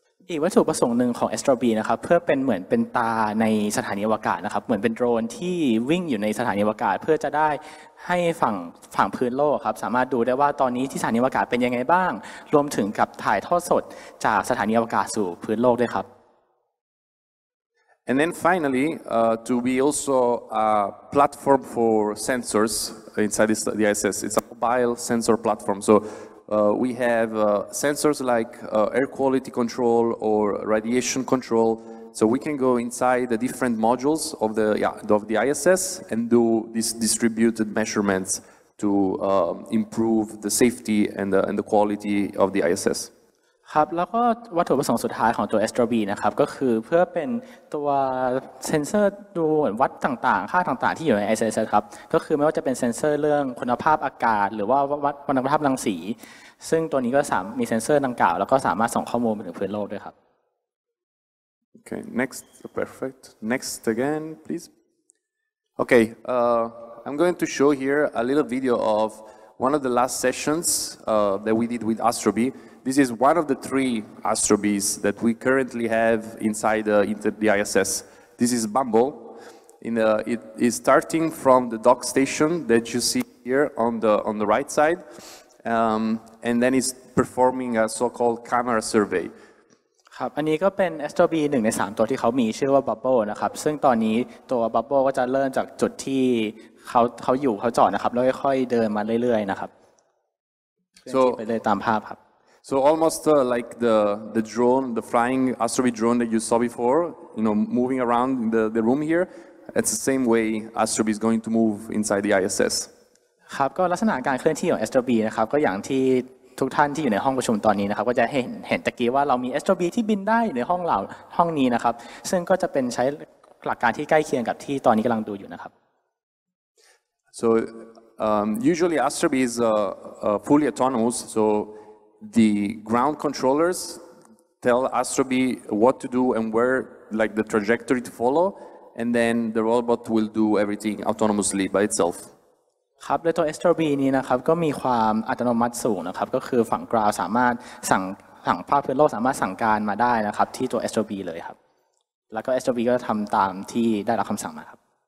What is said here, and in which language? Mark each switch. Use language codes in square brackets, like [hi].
[th] อีกวัตถุประสงค์หนึ่งของ Astrobee นะครับเพื่อเป็นเหมือนเป็นตาในสถานีอวกาศนะครับเหมือนเป็นโดรนที่วิ่งอยู่ในสถานีอวกาศเพื่อจะได้ให้ฝั่งพื้นโลกครับสามารถดูได้ว่าตอนนี้ที่สถานีอวกาศเป็นยังไงบ้างรวมถึงกับถ่ายทอดสดจากสถานีอวกาศสู่พื้นโลกด้วยครับ [en] And then finally to be also a platform for sensors inside the ISS it's a mobile sensor platform so We have sensors like air quality control or radiation control. So we can go inside the different modules of the, of the ISS and do these distributed measurements to improve the safety and the quality of the ISS. [th] ครับแล้วก็วัตถุประสงค์สุดท้ายของตัว Astro B นะครับก็คือเพื่อเป็นตัวเซนเซอร์ดูวัดต่างๆค่าต่างๆที่อยู่ใน ISS ครับก็คือไม่ว่าจะเป็นเซ็นเซอร์เรื่องคุณภาพอากาศหรือว่าวัดคุณภาพรังสีซึ่งตัวนี้ก็สามารถมีเซ็นเซอร์ดังกล่าวแล้วก็สามารถส่งข้อมูลไปถึงพื้นโลกด้วยครับ [en] Okay, next, perfect. Next again, please. Okay, I'm going to show here a little video of one of the last sessions that we did with AstroBee. This is one of the three AstroBees that we currently have inside the ISS. This is Bumble. It is starting from the dock station that you see here on the right side. And then it's performing a so-called camera survey. [th] ครับอันนี้ก็เป็น AstroB 1ใน3ตัวที่เขามีชื่อว่า Bubble นะครับซึ่งตอนนี้ตัว Bubble ก็จะเริ่มจากจุดที่เขาอยู่เขาจอดนะครับแล้วค่อยๆเดินมาเรื่อยๆนะครับ [en] So [th] ไปเลยตามภาพครับ [en] So almost like the drone the flying AstroB drone that you saw before you know moving around the room here it's the same way AstroB is going to move inside the ISS [th] ครับก็ลักษณะการเคลื่อนที่ของ AstroB นะครับก็อย่างที่ทุกท่านที่อยู่ในห้องประชุมตอนนี้นะครับก็จะเห็นตะกี้ว่าเรามี AstroB ที่บินได้ในห้องเราห้องนี้นะครับซึ่งก็จะเป็นใช้หลักการที่ใกล้เคียงกับที่ตอนนี้กำลังดูอยู่นะครับ [en] So usually AstroB is fully autonomous so the ground controllers tell AstroB what to do and where like the trajectory to follow and then the robot will do everything autonomously by itself [th] ครับและตัว AstroB นี้นะครับก็มีความอัตโนมัติสูงนะครับก็คือฝั่ง ground สามารถสั่งภาพพื้นโลกสามารถสั่งการมาได้นะครับที่ตัว AstroB เลยครับแล้วก็ AstroB ก็ทำตามที่ได้รับคำสั่งมาครับ